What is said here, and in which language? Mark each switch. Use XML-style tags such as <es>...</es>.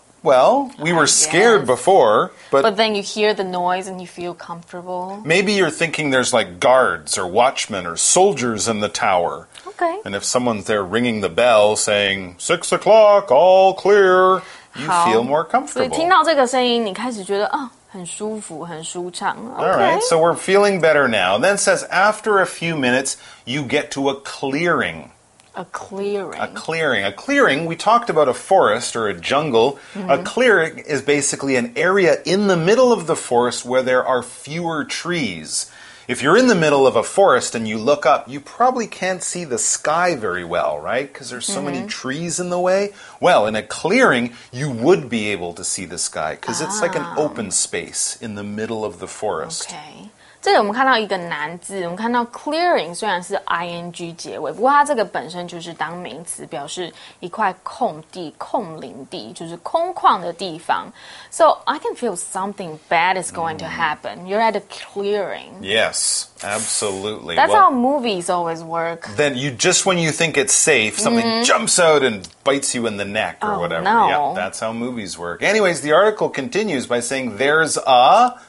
<en>Well, we were scared before, but... But then you hear the noise and you feel comfortable. Maybe you're thinking there's like guards or watchmen or soldiers in the tower. Okay. And if someone's there ringing the bell saying, 6 o'clock, all clear, you feel more comfortable.</en> <zh>所以听到这个声音你开始觉得、哦、很舒服很舒畅、okay.</zh> <en>All right, so we're feeling better now. Then it says, after a few minutes, you get to a clearing. A clearing. A clearing. A clearing, we talked about a forest or a jungle. Mm-hmm. A clearing is basically an area in the middle of the forest where there are fewer trees. If you're in the middle of a forest and you look up, you probably can't see the sky very well, right? Because there's so many trees in the way. Well, in a clearing, you would be able to see the sky because it's like an open space in the middle of the forest. Okay.</en> <zh>这里我们看到一个难字，我们看到 clearing 虽然是 ing 结尾，不过它这个本身就是当名词，表示一块空地、空灵地，就是空旷的地方。</zh> <en>So I can feel something bad is going to happen. You're at a clearing. Yes, absolutely. That's well, how movies always work. Then you just when you think it's safe, something jumps out and bites you in the neck or whatever. No. Yeah, that's how movies work. Anyways, the article continues by saying there's a...</en>